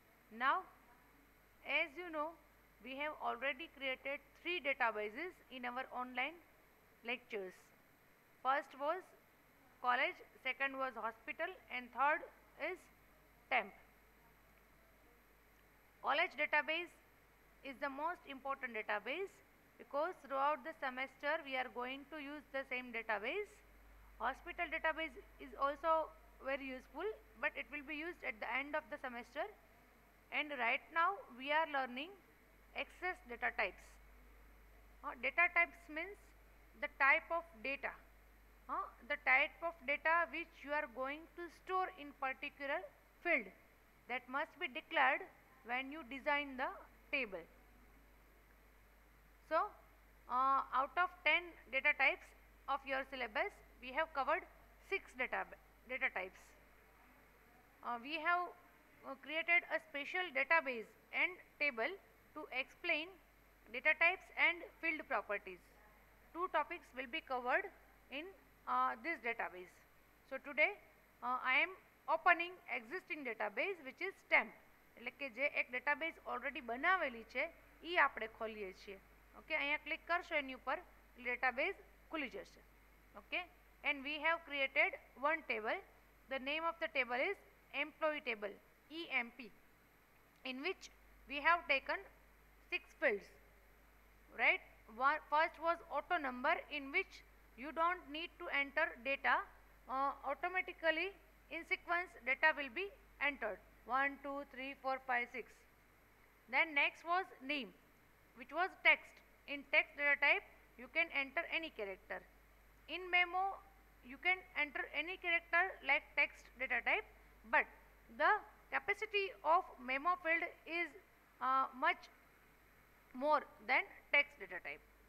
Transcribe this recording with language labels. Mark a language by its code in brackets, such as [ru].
[en] Now as you know we have already created 3 databases in our online lectures. First was college, second was hospital and third is temp. College database is the most important database because throughout the semester we are going to use the same database. Hospital database is also very useful, but it will be used at the end of the semester. And right now we are learning Excess data types. Data types means the type of data, the type of data which you are going to store in particular field, that must be declared when you design the table. So out of 10 data types of your syllabus, we have covered 6 data types. We have created a special database and table to explain data types and field properties. Two topics will be covered in this database. So today I am opening existing database, which is TEMP. [gu] એટલે કે જે એક database already બનાવેલી છે એ આપણે ખોલીએ છીએ. Okay, અહીંયા ક્લિક કરશો એની ઉપર ડેટાબેઝ ખુલી જશે. [en] Okay, and we have created one table. The name of the table is employee table, EMP, in which we have taken 6 fields, right? First was auto number, in which you don't need to enter data, automatically in sequence data will be entered. 1, 2, 3, 4, 5, 6. Then next was name, which was text. In text data type, you can enter any character. In memo, you can enter any character like text data type, but the capacity of memo field is much more than text data type.